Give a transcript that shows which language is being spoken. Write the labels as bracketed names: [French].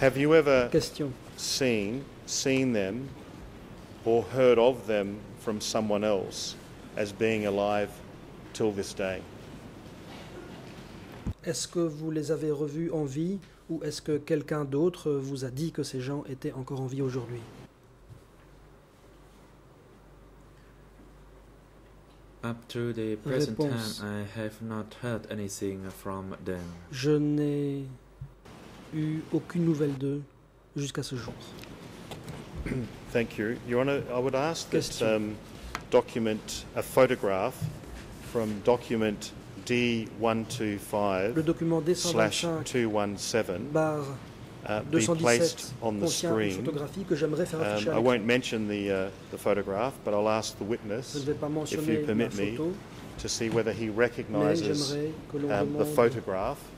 [English] Have you ever seen them or heard of them from someone else as being alive till this day? [French] Est-ce que vous les avez revus en vie ou est-ce que quelqu'un d'autre vous a dit que ces gens étaient encore en vie aujourd'hui? [English] Up to the present [French] réponse. [English] Time, I have not heard anything from them. [French] Je n'ai eu aucune nouvelle d'eux jusqu'à ce jour. [English] Thank you. Your Honor, I would ask that document, a photograph from document D125 [French] le document D125/217 [English] be placed on the screen. I won't mention the photograph, but I'll ask the witness, if you permit me, to see whether he recognizes the photograph